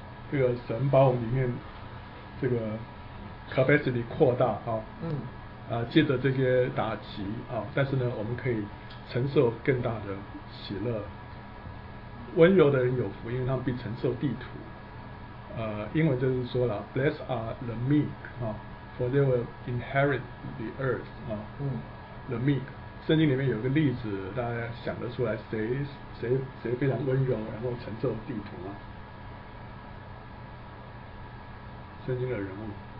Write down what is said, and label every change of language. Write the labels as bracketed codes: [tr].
[zh] 这个神把我们里面这个 capacity 扩大啊，借着这些打击啊，但是呢，我们可以承受更大的喜乐。温柔的人有福，因为他们必承受地土。英文就是说了 ， [en] Blessed are the meek [zh] 啊。 [en] For they will inherit the earth 啊、，the meek。 [zh] 圣经里面有个例子，大家想得出来谁非常温柔，然后承受地图吗？圣经的人物，